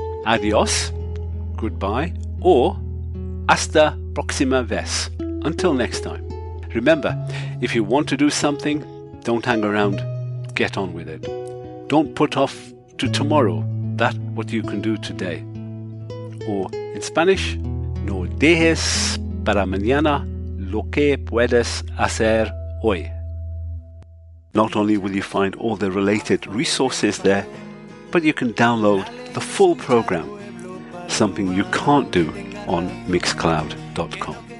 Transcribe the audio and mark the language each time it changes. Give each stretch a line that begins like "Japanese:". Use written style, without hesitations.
English: Adios, goodbye, or
Spanish: hasta próxima vez.
English: Until next time. Remember, if you want to do something, don't hang around, get on with it. Don't put off to tomorrow that what you can do today. Or in Spanish,
Spanish: no dejes para mañana lo que puedes hacer hoy.
English: Not only will you find all the related resources there, but you can download the full program, something you can't do on mixcloud.com.